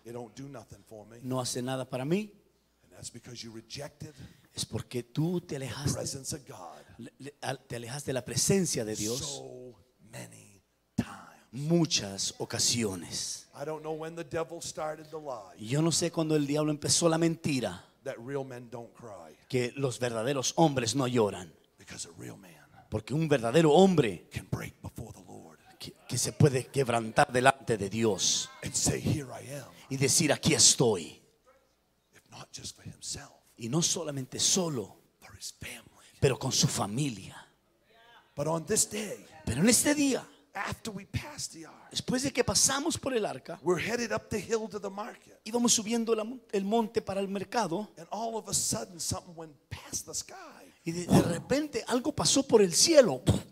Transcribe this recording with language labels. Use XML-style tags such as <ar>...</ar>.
<en>It don't do nothing for me.</en> <es>No hace nada para mí.</es> <en>And that's because you rejected.</en> <es>Es porque tú te alejaste.</es> <en>The presence of God.</en> <es>Te alejaste de la presencia de Dios.</es> <en>So many times.</en> <es>Muchas ocasiones.</es> <en>I don't know when the devil started the lie.</en> <es>Yo no sé cuándo el diablo empezó la mentira.</es> <en>That real men don't cry.</en> <es>Que los verdaderos hombres no lloran.</es> <en>Because a real man.</en> <es>Porque un verdadero hombre.</es> <en>Can break before the Lord.</en> <es>Que se puede quebrantar delante de Dios y decir aquí estoy,</es> <en>himself,</en> <es>y no solamente solo, pero con su familia.</es> <en>Day,</en> <es>pero en este día,</es> <en>after we pass the ark,</en> <es>después de que pasamos por el arca,</es> <en>we're headed up the hill to the market,</en> <es>íbamos subiendo el monte para el mercado,</es> <en>and all of a sudden something went past the sky,</en> <es>y de repente algo pasó por el cielo.</es>